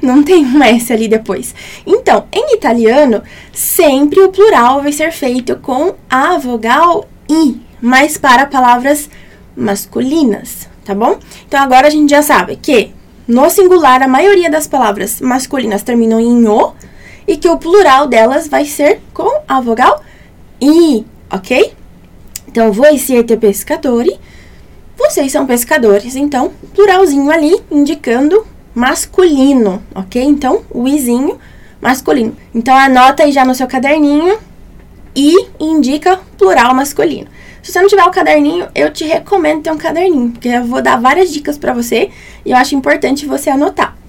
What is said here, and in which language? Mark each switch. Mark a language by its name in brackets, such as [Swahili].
[Portuguese] Não tem um S ali depois. Então, em italiano, sempre o plural vai ser feito com a vogal I, mas para palavras masculinas, tá bom? Então, agora a gente já sabe que no singular, a maioria das palavras masculinas terminam em O e que o plural delas vai ser com a vogal I, ok? [Italian] Então, voi siete pescatori. [Portuguese] Vocês são pescadores, então, pluralzinho ali, indicando masculino, ok? Então, o izinho, masculino. Então, anota aí já no seu caderninho e indica plural masculino. Se você não tiver o caderninho, eu te recomendo ter um caderninho, porque eu vou dar várias dicas pra você e eu acho importante você anotar.